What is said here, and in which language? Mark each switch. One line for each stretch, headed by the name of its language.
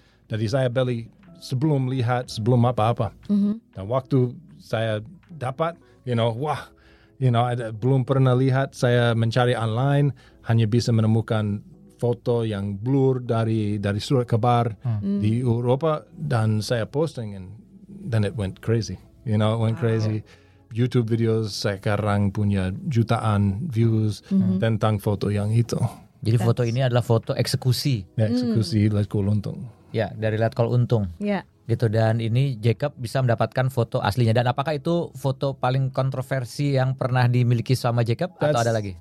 Indonesian: Jadi saya beli sebelum lihat, sebelum apa-apa. Dan waktu saya dapat,
English: you know,
Indonesian: wah, you know, belum pernah lihat. Saya mencari online, hanya bisa menemukan foto yang blur dari surat kabar di Eropa. Dan saya posting,
English: and then it went crazy. You know, it went crazy.
Indonesian: YouTube videos sekarang punya jutaan views tentang foto yang itu. Jadi foto ini adalah foto eksekusi. Ya, eksekusi Letko Untung. Ya, dari Letko Untung. Ya. Gitu, dan ini Jacob bisa mendapatkan foto aslinya. Dan apakah itu foto paling kontroversi yang pernah dimiliki sama Jacob?
English: That's,
Indonesian: atau ada lagi?